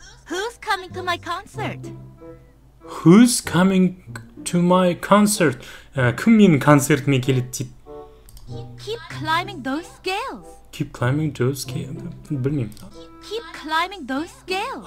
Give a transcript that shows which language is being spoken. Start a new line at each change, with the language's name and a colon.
English: Who's coming to my concert? Who's coming to my concert?
Kazakh: Кім менің концертіме келеді дейді?
English: Keep climbing those scales. Keep climbing those scales.
Kazakh: Білмейм.
English: Keep climbing those scales.